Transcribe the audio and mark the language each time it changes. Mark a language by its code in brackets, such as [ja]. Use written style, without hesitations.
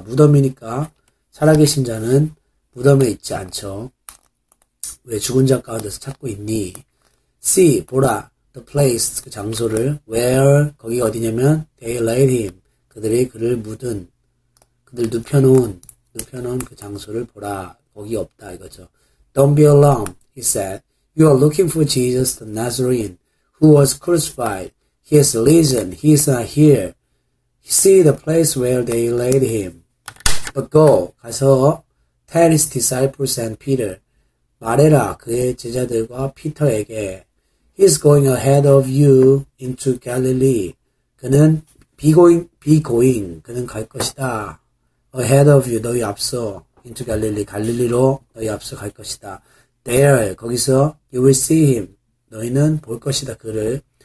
[ko] 무덤이니까 살아계신 자는 무덤에 있지 않죠. 왜 죽은 자 가운데서 찾고 있니? [en] See, [ko] 보라. [en] The place, [ko] 그 장소를. [en] Where, [ko] 거기 어디냐면 [en] They laid him. [ko] 그들이 그를 묻은. 그들 눕혀놓은 그 장소를 보라. 거기 없다 이거죠. [en] Don't be alarmed. He said, you are looking for Jesus the Nazarene, who was crucified. He has risen. He is not here. See the place where they laid him. But go, [ko] 가서 [en] tell his disciples and Peter. [ko] 말해라, 그의 제자들과 피터에게. [en] He is going ahead of you into Galilee. [ko] 그는 [en] be going. [ko] 그는 갈 것이다. [en] Ahead of you, [ko] 너희 앞서. [en] Into Galilee, [ko] 갈릴리로 너희 앞서 갈 것이다. [en] There, [ko] 거기서 [en] you will see him. [ko] 너희는 볼 것이다, 그를.